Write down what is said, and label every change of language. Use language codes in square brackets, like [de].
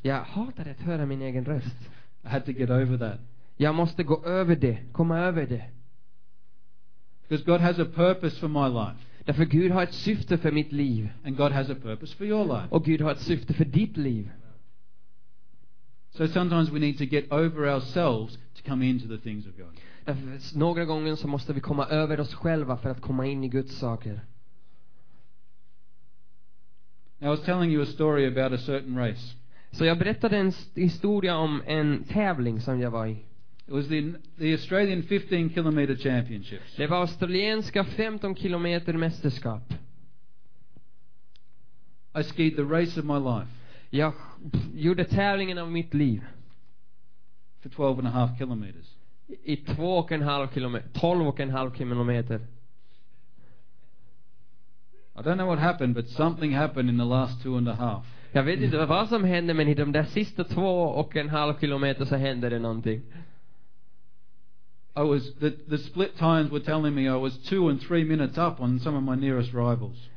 [sv] Jag hatade att höra min egen röst. [en] I had to get over that. [sv] Jag måste gå över det, komma över det. [en] Because God has a purpose for my life. [sv] Därför Gud har ett syfte för mitt liv. [en] And God has a purpose for your life. [sv] Och Gud har ett syfte för ditt liv. [en] So sometimes we need to get over ourselves to come into the things of God. [sv] Därför några gånger så måste vi komma över oss själva för att komma in i Guds saker. [en] Now I was telling you a story about a certain race. [sv] Så jag berättade en historia om en tävling som jag var i. [en] It was the Australian 15 kilometer championships. [sv] Det var australienska 15 kilometer mästerskap. [en] I skied the race of my life. [sv] Jag gjorde tävlingen av mitt liv. [en] For 12 and a half kilometers. [sv] I 12 and a half kilometer. [en] I don't know what happened, but something happened in the last 2.5. [sv] Jag vet inte vad som hände, men i de där sista 2.5 kilometer så hände det någonting. [en] I was the split times were telling me I was 2 and 3 minutes up on some of my nearest rivals.